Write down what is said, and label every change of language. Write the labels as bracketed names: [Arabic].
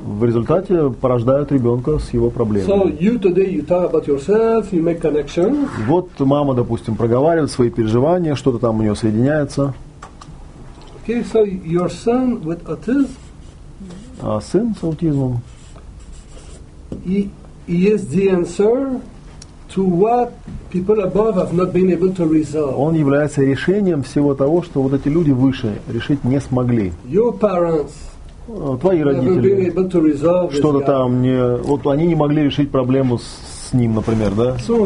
[Russian] В результате порождают ребенка с его проблемой. [English] So you today you talk about yourself, you make connection. [Russian] Вот мама, допустим, проговаривает свои переживания, что-то там у нее соединяется. [English] Okay, so your son with autism. [Russian] А сын с аутизмом. [English] He is the answer to what people above have not been able to resolve. [Russian] Он является решением всего того, что вот эти люди выше решить не смогли. [English] Your parents. [Russian] Твои родители что-то там не, вот они не могли решить проблему с ним, например, да?